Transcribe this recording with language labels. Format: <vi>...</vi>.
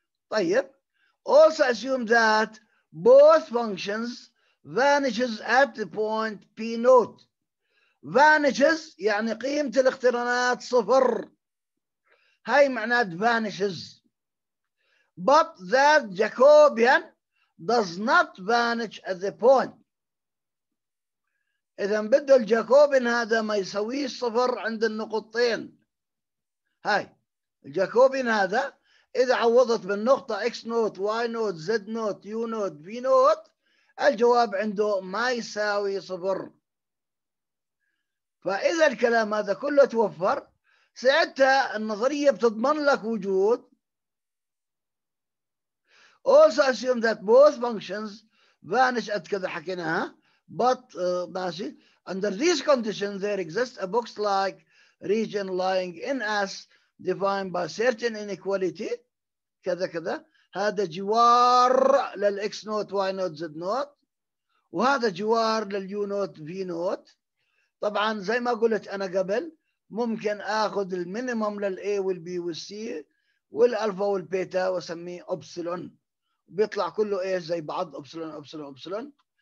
<ar>طيب</ar> <en>also assume that both functions vanishes at the point p note.</en> <ar>Vanishes يعني قيمة الاقترانات صفر، هاي معناه vanishes.</ar> <en>But that Jacobian does not vanish at the point.</en> <ar>إذا بده الجاكوبين هذا ما يسويه صفر عند النقطتين، هاي الجاكوبين هذا إذا عوضت بالنقطة X note Y note Z note U note V note الجواب عنده ما يساوي صفر. فإذا الكلام هذا كله توفر ساعتها النظرية بتضمن لك وجود.</ar> <en>Also assume that both functions vanish at</en> <ar>كذا حكيناها.</ar> <en>But</en> <ar>ماشي.</ar> <en>Under these conditions there exists a box like region lying in S defined by certain inequality</en> <ar>كذا كذا. هذا جوار للX note Y note Z note وهذا جوار للU note V note. طبعا زي ما قلت انا قبل ممكن اخذ المينيمم للاي والبي والسي والالفا والبيتا واسميه ابسلون، بيطلع كله ايش زي بعض ابسلون ابسلون ابسلون.</ar>